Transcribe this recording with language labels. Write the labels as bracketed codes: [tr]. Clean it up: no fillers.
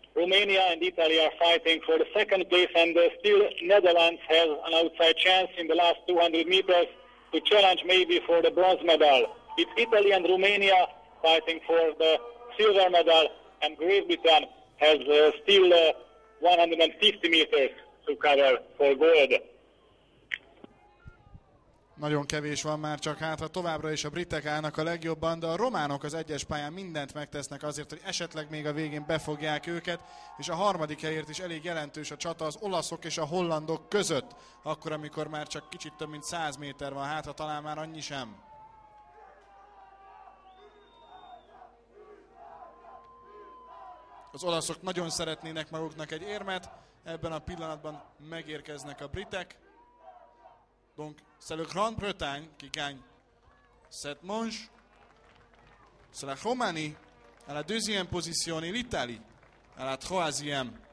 [en] Romania and Italy are fighting for the second place, and still Netherlands has an outside chance in the last 200 meters to challenge maybe for the bronze medal. It's Italy and Romania fighting for the silver medal, and Great Britain has still 150 meters to cover for gold. [hu] Nagyon kevés van már csak hátra, továbbra is a britek állnak a legjobban, de a románok az egyes pályán mindent megtesznek azért, hogy esetleg még a végén befogják őket, és a harmadik helyért is elég jelentős a csata az olaszok és a hollandok között, akkor, amikor már csak kicsit több mint 100 méter van hátra, talán már annyi sem. Az olaszok nagyon szeretnének maguknak egy érmet, ebben a pillanatban megérkeznek a britek. [fr] Donc, c'est le Grand Bretagne qui gagne cette manche. C'est la Roumanie à la deuxième position et l'Italie à la troisième.